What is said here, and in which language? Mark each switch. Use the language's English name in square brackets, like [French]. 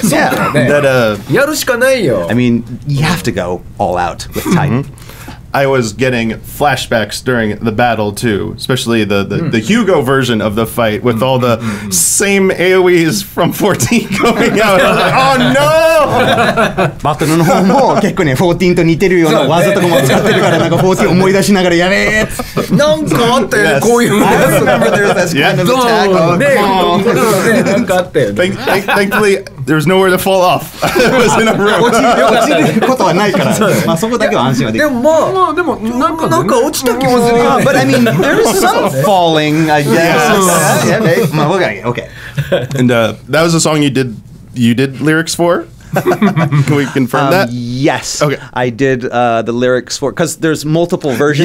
[English] Yeah. [Japanese] That, やるしかないよ. [English] I mean, you have to go all out with Titan. I was getting flashbacks during the battle too, especially the Hugo version of the fight with all the same AoEs from 14 going out. I was like, oh no! [Japanese] バトルの方も結構ね、14と似てるような技とかも使ってるから、なんか14思い出しながらやべえ。なんかあったよね、こういう。 [English] I remember there was this kind of attack. [Japanese] ね、なんかあったよね。 [English] Thankfully, there was nowhere to fall off. It was in a room. [Japanese] 落ちることはないから、まあそこだけは安心はできる。でも [English] But I mean, there is some falling, I guess. Yeah. Okay. And that was a song you did lyrics for? Can we confirm that? Yes. Okay. I did the lyrics for, because there's multiple versions